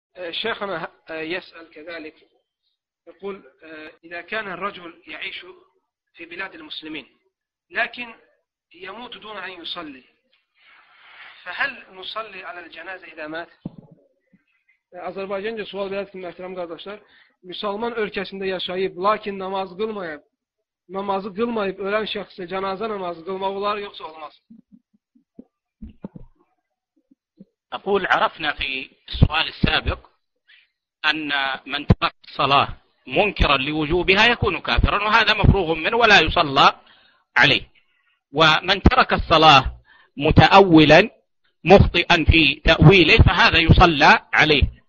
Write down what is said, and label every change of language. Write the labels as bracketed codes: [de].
[ar] شيخنا يسأل كذلك، يقول إذا كان الرجل يعيش في بلاد المسلمين لكن يموت دون أن يصلي، فهل نصلي على الجنازة إذا مات؟ [az] Azerbaycanca sual verdik mühterem kardeşler. Müslüman ülkesinde yaşayıp lakin namazı kılmayıp ölen şahsı cenaze namazı kılmak olar yoksa olmaz. [ar] أقول عرفنا في السؤال السابق أن من ترك الصلاة منكرا لوجوبها يكون كافرا، وهذا مفروغ منه ولا يصلى عليه. ومن ترك الصلاة متأولا مخطئا في تأويله فهذا يصلى عليه.